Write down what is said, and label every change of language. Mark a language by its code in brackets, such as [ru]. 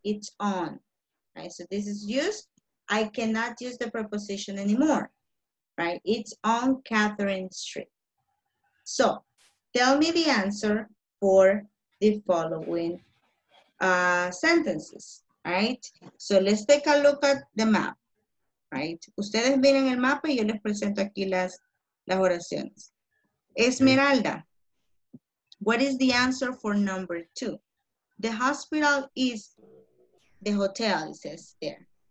[en] It's on, right? So this is used. I cannot use the preposition anymore, right? It's on Catherine Street. So tell me the answer for the following sentences, right? So let's take a look at the map, right? [es] Ustedes miren el mapa y yo les presento aquí las oraciones. [en] Esmeralda, what is the answer for number two? The hospital is the hotel, it says there.